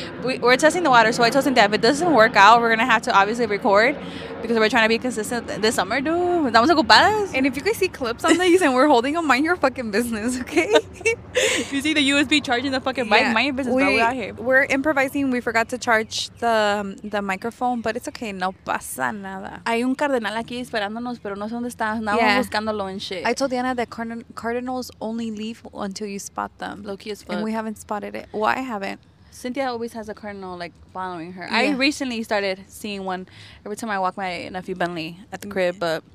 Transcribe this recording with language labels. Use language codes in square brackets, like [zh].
[en] We're testing the water, so I told Cynthia, if it doesn't work out, we're gonna have to obviously record, because we're trying to be consistent this summer, dude. That was a good pass. And if you guys see clips on these and we're holding them, mind your fucking business, okay? You see the USB charging the fucking mic, yeah. Mind your business, we're out here. We're improvising. We forgot to charge the microphone, but it's okay. [es] No pasa nada. Hay un cardenal aquí esperándonos, pero no sé dónde está. [en] Now we're [es] buscándolo [en] and shit. I told Diana that cardinals only leave until you spot them. Low-key as fuck. And we haven't spotted it. Well, I haven't. Cynthia always has a cardinal, like, following her. Yeah. I recently started seeing one every time I walk my nephew Bentley at the crib, but...